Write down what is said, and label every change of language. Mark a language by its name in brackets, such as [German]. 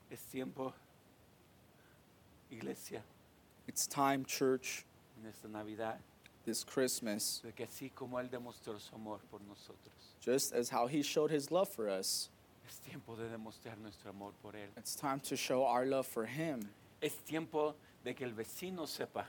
[Spanish] Tiempo, iglesia. [English] It's time, church. [Spanish] En esta Navidad, [English] this Christmas. [Spanish] De que así como él demostró su amor por nosotros. [English] Just as how he showed his love for us. [Spanish] Es tiempo de demostrar nuestro amor por él. [English] It's time to show our love for him. [Spanish] Es tiempo de que el vecino sepa.